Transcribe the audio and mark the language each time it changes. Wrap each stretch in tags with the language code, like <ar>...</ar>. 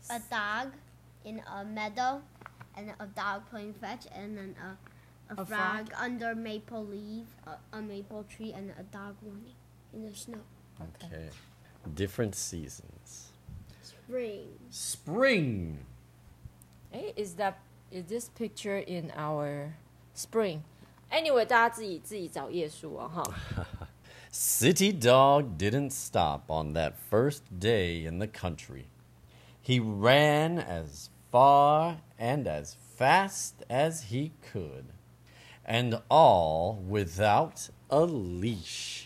<en>A dog in a meadow, and a dog playing fetch, and then a frog under maple leaf, a maple tree, and a dog running in the snow. Okay. Different seasons. Spring. Hey, is this picture in our spring? Anyway,</en> <zh>大家自己找页数啊，哈。</zh> <en>City Dog didn't stop on that first day in the country. He ran as far and as fast as he could. And all without a leash.</en>